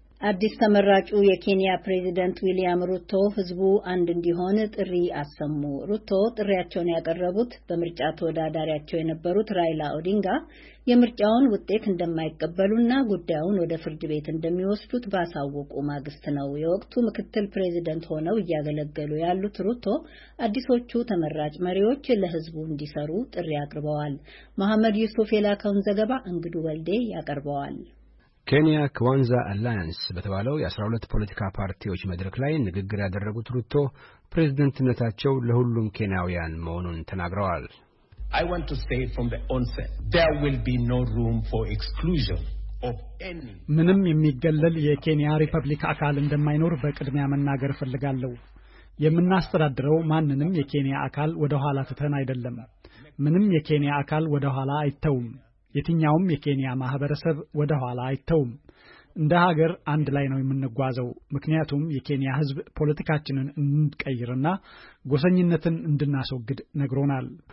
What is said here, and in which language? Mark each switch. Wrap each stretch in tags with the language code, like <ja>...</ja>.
<am>አዲስ ተመራጩ የኬንያ ፕሬዝዳንት ዊሊያም ሩቶ ህዝቡ አንድ እንዲሆን ጥሪ አሰሙ። ሩቶ ጥሪያቸውን ያቀረቡት በምርጫ ተወዳዳሪያቸው የነበሩት ራይላ ኦዲንጋ የምርጫውን ውጤት እንደማይቀበሉና ጉዳዩን ወደ ፍርድ ቤት እንደሚወስዱት ባሳወቁ ማግስት ነው። የወቅቱ ምክትል ፕሬዝዳንት ሆነው እያገለገሉ ያሉት ሩቶ አዲሶቹ ተመራጭ መሪዎች ለህዝቡ እንዲሰሩ ጥሪ አቅርበዋል። መሐመድ ዩሱፍ የላከውን ዘገባ እንግዱ ወልዴ ያቀርበዋል። ኬንያ ክዋንዛ አላያንስ በተባለው የ12 ፖለቲካ ፓርቲዎች መድረክ ላይ ንግግር ያደረጉት ሩቶ ፕሬዝዳንትነታቸው ለሁሉም ኬንያውያን መሆኑን ተናግረዋል።</am> <en>I want to say from the onset there will be no room for exclusion of any</en> <am>ምንም የሚገለል የኬንያ ሪፐብሊክ አካል እንደማይኖር በቅድሚያ መናገር ፈልጋለሁ። የምናስተዳድረው ማንንም የኬንያ አካል ወደ ኋላ ትተን አይደለም። ምንም የኬንያ አካል ወደ ኋላ አይተውም። የትኛውም የኬንያ ማህበረሰብ ወደ ኋላ አይተውም። እንደ ሀገር አንድ ላይ ነው የምንጓዘው። ምክንያቱም የኬንያ ህዝብ ፖለቲካችንን እንድንቀይርና ጎሰኝነትን እንድናስወግድ ነግሮናል።</am>